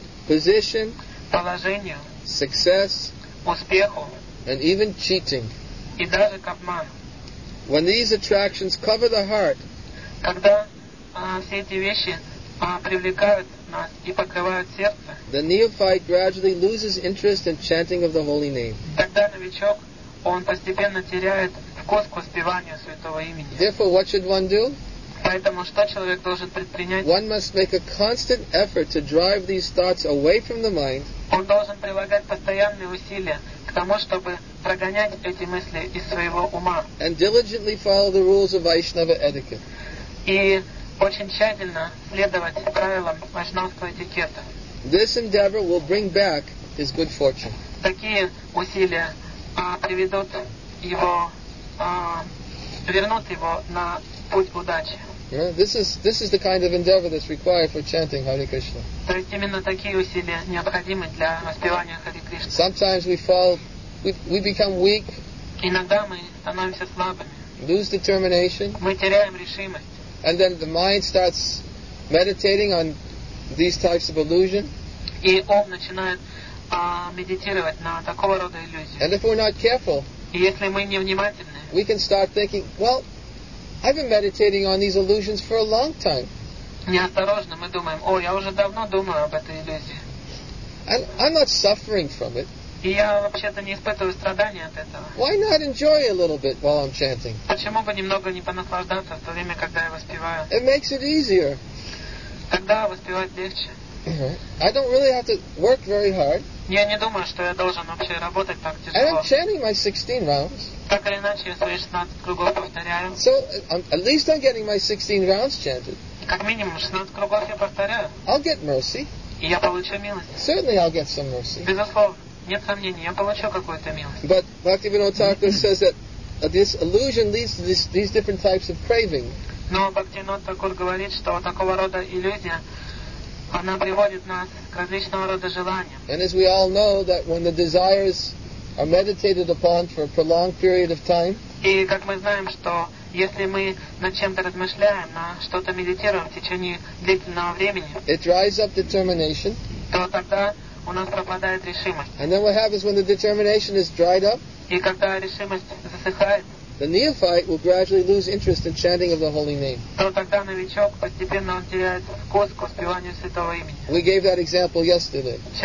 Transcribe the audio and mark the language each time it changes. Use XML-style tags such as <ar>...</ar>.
<en>position,</en> <ru>положению,</ru> <en>success,</en> <ru>успеху,</ru> <en>and even cheating.</en> <ru>И даже к обману.</ru> <en>When these attractions cover the heart,</en> <ru>когда все эти вещи привлекают нас и покрывают сердце,</ru> <en>the neophyte gradually loses interest in chanting of the holy name.</en> <ru>Тогда новичок он постепенно теряет вкус к воспеванию святого имени.</ru> <en>Therefore, what should one do?</en> <ru>Поэтому что человек должен предпринять?</ru> <en>One must make a constant effort to drive these thoughts away from the mind.</en> <ru>Он должен прилагать постоянные усилия к тому, чтобы прогонять эти мысли из своего ума.</ru> <en>And diligently follow the rules of Vaishnava etiquette.</en> <ru>И очень тщательно следовать правилам вайшнавского этикета.</ru> <en>This endeavor will bring back his good fortune.</en> <ru>Такие усилия приведут его, вернут его на путь удачи.</ru> <en>You know, this is the kind of endeavor that's required for chanting Hare Krishna.</en> <ru>То есть именно такие усилия необходимы для воспевания Хари Кришны.</ru> <en>Sometimes we fall, we become weak.</en> <ru>Иногда мы становимся слабыми.</ru> <en>Lose determination.</en> <ru>Мы теряем решимость.</ru> <en>And then the mind starts meditating on these types of illusion.</en> <ru>И ум начинает медитировать на такого рода иллюзии.</ru> <en>And if we're not careful,</en> <ru>если мы не внимательны,</ru> <en>we can start thinking, well, I've been meditating on these illusions for a long time.</en> <ru>Неосторожно мы думаем, о, я уже давно думаю об этой иллюзии.</ru> <en>And I'm not suffering from it.</en> <ru>И я вообще-то не испытываю страдания от этого.</ru> <en>Why not enjoy a little bit while I'm chanting?</en> <ru>Почему бы немного не понаслаждаться в то время, когда я воспеваю?</ru> <en>It makes it easier.</en> <ru>Тогда воспевать легче.</ru> <en>I don't really have to work very hard.</en> <ru>Я не думаю, что я должен вообще работать так тяжело.</ru> <en>And I'm chanting my 16 rounds.</en> <ru>Так или иначе, я свои 16 кругов повторяю.</ru> <en>So, at least I'm getting my 16 rounds chanted.</en> <ru>Как минимум, 16 кругов я повторяю.</ru> <en>I'll get mercy.</en> <ru>И я получу милость.</ru> <en>Certainly I'll get some mercy.</en> <ru>Безусловно, нет сомнений, я получу какую-то милость.</ru> <en>But Bhaktivinoda Thakur says that this illusion leads to these different types of craving.</en> <ru>Но Бхактивинода Такур говорит, что такого рода иллюзия, она приводит нас к различного рода желаниям.</ru> <en>And as we all know, that when the desires are meditated upon for a prolonged period of time,</en> <ru>и как мы знаем, что если мы над чем-то размышляем, на что-то медитируем в течение длительного времени,</ru> <en>it dries up determination,</en> <ru>то тогда у нас пропадает решимость.</ru> <en>And then what happens when the determination is dried up,</en> <ru>и когда решимость засыхает,</ru> <en>the neophyte will gradually lose interest in chanting of the holy name. We gave that example yesterday.</en>